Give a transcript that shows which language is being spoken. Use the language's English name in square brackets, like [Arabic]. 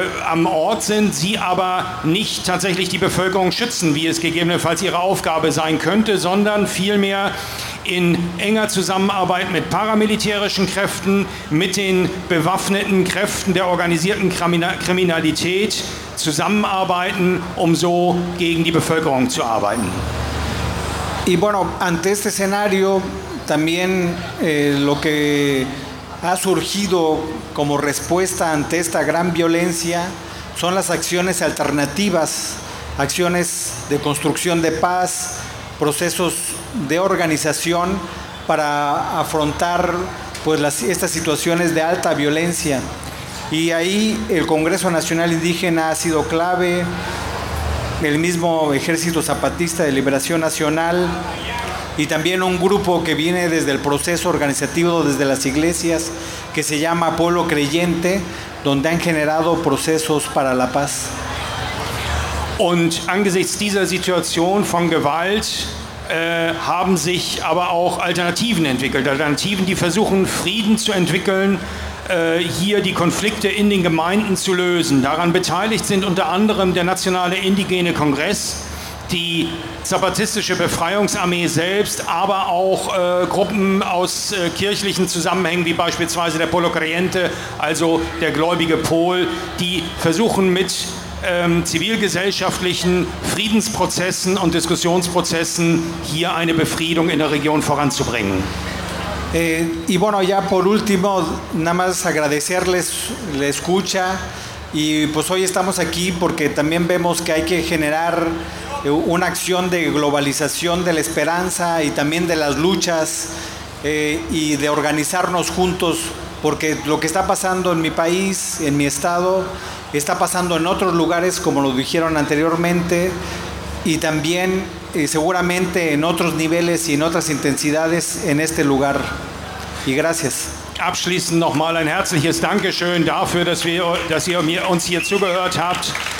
[German] am Ort sind, sie aber nicht tatsächlich die Bevölkerung schützen, wie es gegebenenfalls ihre Aufgabe sein könnte, sondern vielmehr in enger Zusammenarbeit mit paramilitärischen Kräften, mit den bewaffneten Kräften der organisierten Kriminalität zusammenarbeiten, um so gegen die Bevölkerung zu arbeiten. [Spanish] Y bueno, ante este escenario, también lo que ha surgido como respuesta ante esta gran violencia son las acciones alternativas, acciones de construcción de paz, procesos de organización para afrontar pues estas situaciones de alta violencia. Y ahí el Congreso Nacional Indígena ha sido clave, el mismo Ejército Zapatista de Liberación Nacional y también un grupo que viene desde el proceso organizativo, desde las iglesias, que se llama Pueblo Creyente, donde han generado procesos para la paz. [German] Und angesichts dieser Situation von Gewalt haben sich aber auch Alternativen entwickelt. Alternativen, die versuchen, Frieden zu entwickeln, hier die Konflikte in den Gemeinden zu lösen. Daran beteiligt sind unter anderem der Nationale Indigene Kongress, die Zapatistische Befreiungsarmee selbst, aber auch Gruppen aus kirchlichen Zusammenhängen, wie beispielsweise der Polo Creyente, also der gläubige Pol, die versuchen mit zivilgesellschaftlichen Friedensprozessen und Diskussionsprozessen hier eine Befriedung in der Region voranzubringen. [Spanish] Y bueno, ya por último, nada más agradecerles la escucha, y pues hoy estamos aquí porque también vemos que hay que generar una acción de globalización de la esperanza y también de las luchas y de organizarnos juntos, porque lo que está pasando en mi país, en mi estado, está pasando en otros lugares, como lo dijeron anteriormente, y también seguramente en otros niveles y en otras intensidades en este lugar. Y gracias. [German] Abschließend nochmal ein herzliches Dankeschön dafür, dass ihr uns hier zugehört habt.